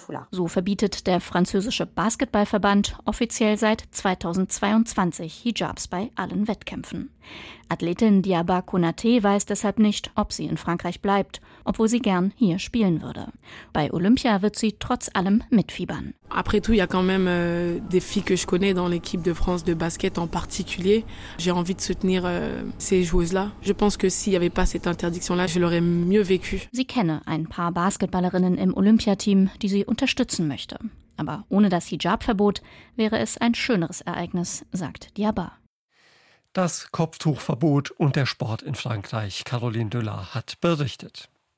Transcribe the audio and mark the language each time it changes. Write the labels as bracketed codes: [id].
[de] So verbietet der französische Basketballverband offiziell seit 2022 Hijabs bei allen Wettkämpfen. Athletin Diaba Konaté weiß deshalb nicht, ob sie in Frankreich bleibt, obwohl sie gern hier spielen würde. Bei Olympia wird sie trotz allem mitfiebern. [fr] Après tout, il y a quand même des filles que je connais dans l'équipe de France de basket en particulier. J'ai envie de soutenir ces joueuses-là. Je pense que s'il y avait pas cette interdiction-là, je l'aurais mieux vécu. [de] Sie kenne ein paar Basketballerinnen im Olympiateam, die sie unterstützen möchte. Aber ohne das Hijab-Verbot wäre es ein schöneres Ereignis, sagt Diaba. Das Kopftuchverbot und der Sport in Frankreich, Caroline Döller hat berichtet.